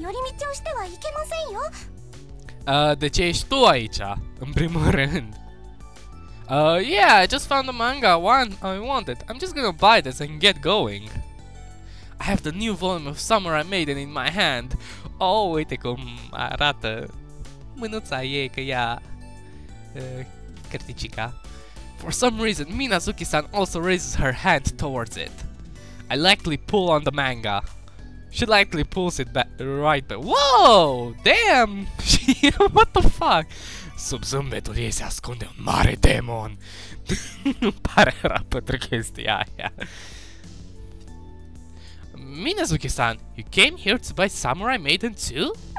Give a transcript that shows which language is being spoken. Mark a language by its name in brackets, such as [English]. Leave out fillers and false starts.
[Japanese] どうしてこんなところにいらっしゃるのですか?学校帰りにむやみに寄り道をしてはいけませんよ! [Romanian] De ce ești tu aici, în primul rând? [English] Yeah, I just found the manga I wanted. I'm just gonna buy this and get going. I have the new volume of Samurai Maiden in my hand. [Romanian] Oh, uite cum arată mânuța ei, că ea... Cărticica. [English] For some reason, Minazuki-san also raises her hand towards it. I likely pull on the manga. She likely pulls it back, right back. Whoa! Damn! What the fuck? [Romanian] Sub zâmbetul ei se ascunde un mare demon. Nu-mi pare rău pentru chestia aia. [English] Minazuki-san, you came here to buy Samurai Maiden too?